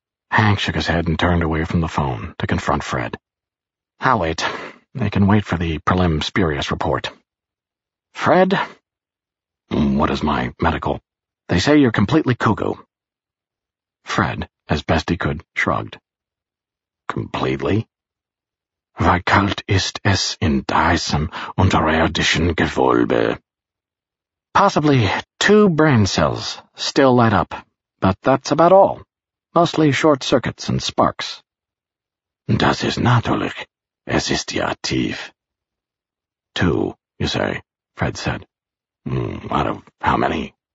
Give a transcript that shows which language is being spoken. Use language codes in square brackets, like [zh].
[en] Hank shook his head and turned away from the phone to confront Fred. "I'll wait. They can wait for the prelim spurious report." "Fred?" "What is my medical?" "They say you're completely cuckoo." Fred, as best he could, shrugged. "Completely?" [de] "Verkalt ist es in diesem Unterirdischen Gewölbe." [en] "Possibly two brain cells still light up, but that's about all. Mostly short circuits and sparks." [de] "Das ist natürlich. Es ist ja tief." [en] "Two, you say?" Fred said. "Out of how many?"